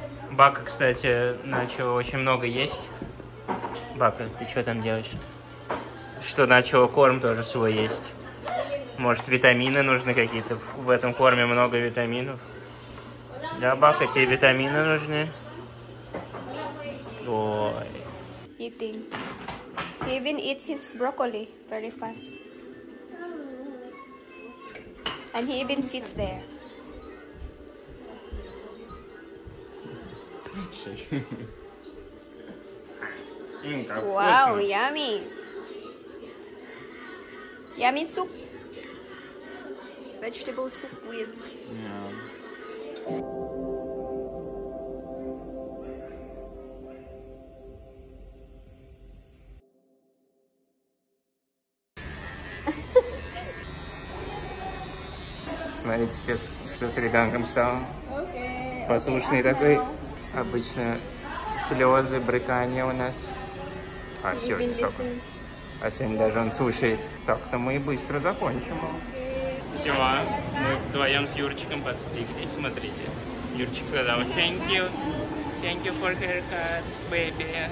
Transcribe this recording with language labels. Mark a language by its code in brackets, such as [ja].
[ru] Бака, кстати, начал очень много есть. Бака, ты что там делаешь? Что начал корм тоже свой есть. Может, витамины нужны какие-то? В этом корме много витаминов. Да, Бака, тебе витамины нужны? Ой. [en] Eating. He even eats his broccoli very fast. And he even sits there. Wow, yummy. Yummy soup. Vegetable soup with... [ru] Смотрите, сейчас, что с ребенком стало. [en] Okay, [ru] послушный okay, такой. Обычно слезы, брыкания у нас. А сегодня как? А сегодня даже он слушает. Так-то мы и быстро закончим. [en] Okay. [ru] Все, мы вдвоем с Юрчиком подстриглись. Смотрите. Юрчик сказал, [en] thank you. Thank you for haircut, baby.